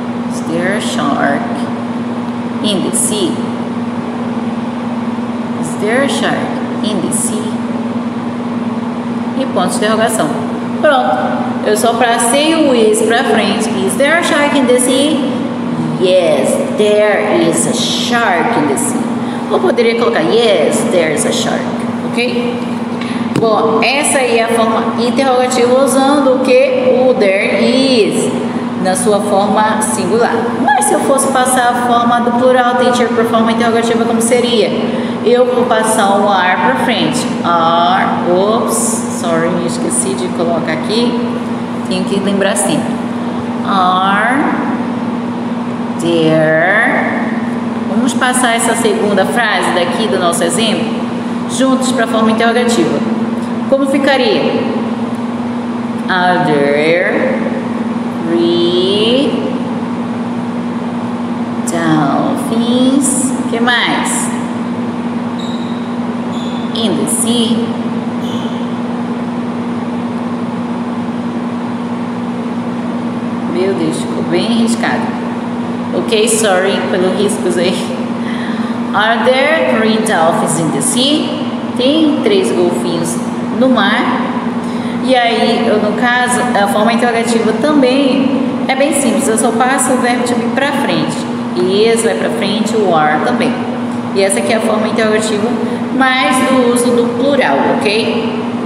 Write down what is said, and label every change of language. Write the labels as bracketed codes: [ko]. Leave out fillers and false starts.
[en] Is there a shark in the sea? Is there a shark in the sea? [pt] E ponto de interrogação. Pronto. Eu só passei o is pra frente. [en] Is there a shark in the sea? Yes, there is a shark in the sea. [pt] Ou poderia colocar [en] yes, there is a shark. Ok? [pt] Bom, essa aí é a forma interrogativa usando o que? O there is na sua forma singular. Mas se eu fosse passar a forma do plural, teacher, pra forma interrogativa, como seria? Eu vou passar um R para frente. R, ops, sorry, esqueci de colocar aqui. Tenho que lembrar assim. R, there. Vamos passar essa segunda frase daqui do nosso exemplo juntos para a forma interrogativa. Como ficaria? [en] Are there 3 dolphins? [pt] O que mais? [en] In the sea. [pt] Meu Deus, ficou bem arriscado. Ok, sorry pelo risco aí. [en] Are there 3 dolphins in the sea? [pt] Tem 3 golfinhos no mar. E aí, no caso, a forma interrogativa também é bem simples. Eu só passo o verbo to be pra frente. Is vai pra frente, o are também. E essa aqui é a forma interrogativa mais do uso do plural, ok?